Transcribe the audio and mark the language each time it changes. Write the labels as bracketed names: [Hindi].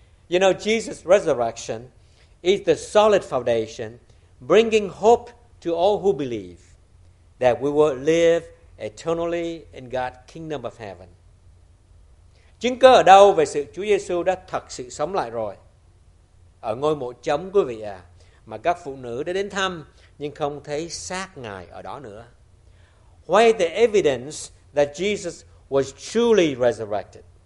[English] You know, Jesus' resurrection is the solid foundation bringing hope to all who believe that we will live eternally in God's kingdom of heaven. [Vietnamese] Chứng cứ ở đâu về sự Chúa Giêsu đã thật sự sống lại rồi? Ở ngôi mộ trống, quý vị à, mà các phụ nữ đã đến thăm nhưng không thấy xác Ngài ở đó nữa. [English] Why the evidence that Jesus was truly resurrected?